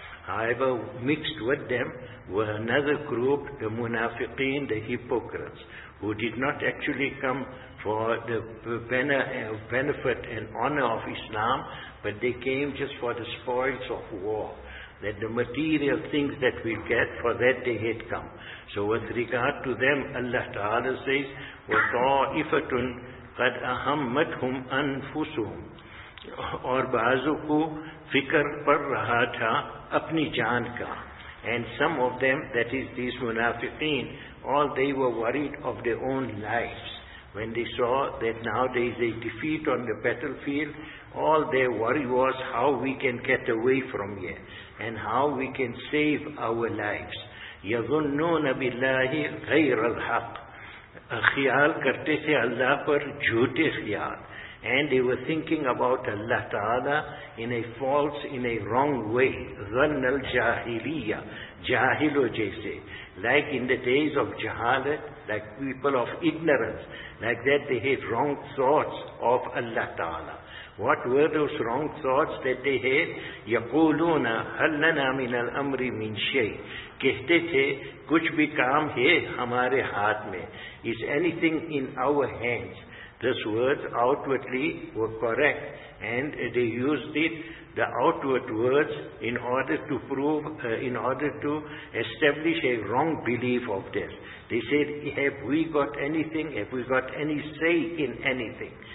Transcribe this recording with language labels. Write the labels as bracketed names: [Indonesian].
[English] However, mixed with them were another group, the Munafiqeen, the hypocrites, who did not actually come for the benefit and honor of Islam, but they came just for the spoils of war. That the material things that we get, for that they had come. So with regard to them, Allah Ta'ala says, [Arabic] وَطَائِفَةٌ قَدْ أَهَمَّتْهُمْ أَنفُسُهُمْ [Urdu] اور بعضوں کو فکر پر رہا تھا اپنی جان کا. [English] And some of them, that is these munafiqeen, all they were worried of their own lives. When they saw that now there is a defeat on the battlefield, all their worry was how we can get away from here and how we can save our lives. [Arabic] يَظُنُّونَ بِاللَّهِ غَيْرَ الْحَقِّ [Urdu] خیال کرتے تھے اللہ پر جھوٹے خیال. [English] And they were thinking about Allah Ta'ala in a wrong way. [Arabic] ظَنَّ الْجَاهِلِيَّ جَاهِلُ جَيْسَ. [English] Like in the days of Jahalat, like people of ignorance, like that they had wrong thoughts of Allah Ta'ala. What were those wrong thoughts that they had? [Arabic] يَقُولُونَ هَلْ لَنَا مِنَ الْأَمْرِ مِنْ شَيْءٍ. [Urdu] کہتے تھے کچھ بھی کام ہے ہمارے ہاتھ میں. [English] Is anything in our hands? These words outwardly were correct, and they used it, the outward words, in order to establish a wrong belief of theirs. They said, have we got anything? Have we got any say in anything?